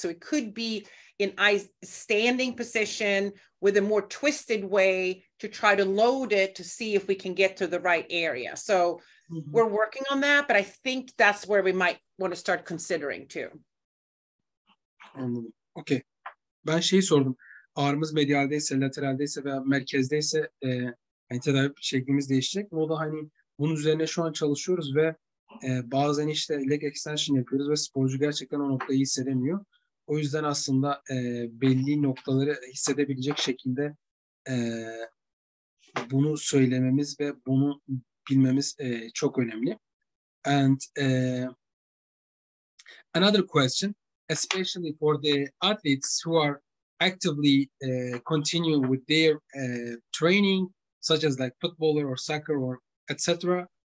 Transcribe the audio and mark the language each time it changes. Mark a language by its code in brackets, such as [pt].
[en] So it could be in a standing position with a more twisted way to try to load it to see if we can get to the right area. So we're working on that, but I think that's where we might want to start considering too. [tr] Anladım. Okay. Ben sordum. Ağrımız medialdeyse, lateraldeyse veya merkezdeyse hani tedavi şeklimiz değişecek. O da hani bunun üzerine şu an çalışıyoruz ve bazen işte leg extension yapıyoruz ve sporcu gerçekten o noktayı hissedemiyor. O yüzden aslında belli noktaları hissedebilecek şekilde bunu söylememiz ve bunu bilmemiz çok önemli. [en] And another question, especially for the athletes who are actively continue with their training, such as like footballer or soccer or etc.